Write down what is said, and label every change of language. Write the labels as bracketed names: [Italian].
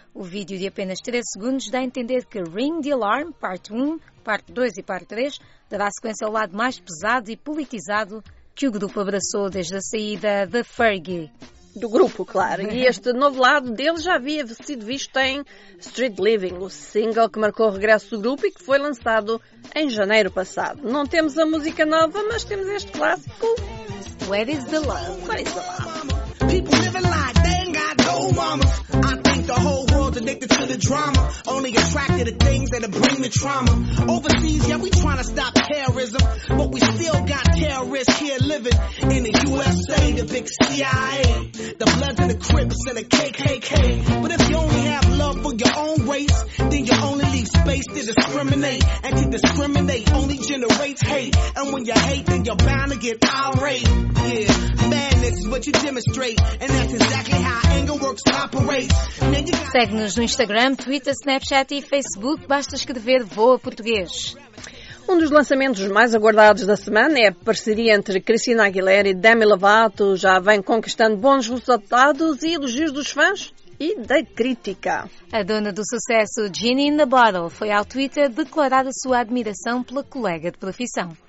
[Portuguese] O vídeo de apenas 3 segundos dá a entender que Ring the Alarm, parte 1, parte 2 e parte 3, dará sequência ao lado mais pesado e politizado que o grupo abraçou desde a saída de Fergie. Do grupo, claro. E este novo lado dele já havia sido visto em Street Living, o single que marcou o regresso do grupo e que foi lançado em janeiro passado. Não temos a música nova, mas temos este clássico. [English] Where is the love? Where is the love? People living like they ain't got no mama. I think the whole world's addicted to the drama. Only attracted to things that bring the trauma. Overseas, yeah, we trying to stop terrorism. But we still got terrorists here living in the USA, the big CIA. The Bloods and the Crips and the KKK. But if you only have love for your own race, then you only leave space to discriminate. And to discriminate only generates hate. And when you hate, then you're bound to get irate. Yeah, madness is what you demonstrate. And that's exactly how anger works and operates. [Portuguese] Segue-nos no Instagram, Twitter, Snapchat e Facebook. Basta escrever Voa Português. Um dos lançamentos mais aguardados da semana é a parceria entre Christina Aguilera e Demi Lovato. Já vem conquistando bons resultados e elogios dos fãs e da crítica. A dona do sucesso, Genie in the Bottle, foi ao Twitter declarar a sua admiração pela colega de profissão.